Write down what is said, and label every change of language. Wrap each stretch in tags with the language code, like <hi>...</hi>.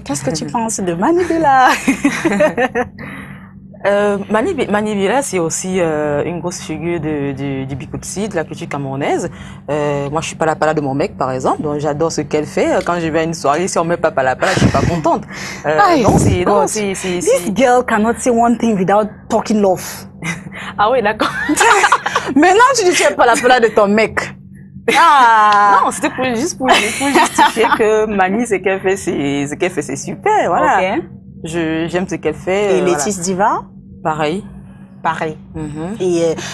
<fr>Qu'est-ce que tu penses de Mani Bella? Mani Bella, c'est aussi une grosse figure du Bikutsi, de la culture camerounaise. Moi, je suis pas la pala de mon mec, par exemple. Donc, j'adore ce qu'elle fait. Quand je vais à une soirée, si on met pas la pala, je suis pas contente.</fr> <en>This girl cannot say one thing without talking love.</en> <fr>Ah oui, d'accord. Maintenant, tu dis que tu es pas la pala de ton mec. Ah. Non, c'était pour justifier que Mani, ce qu'elle fait, c'est super. Voilà. Okay. J'aime ce qu'elle fait. Et Laetitia Diva? Pareil. Mm-hmm.</fr>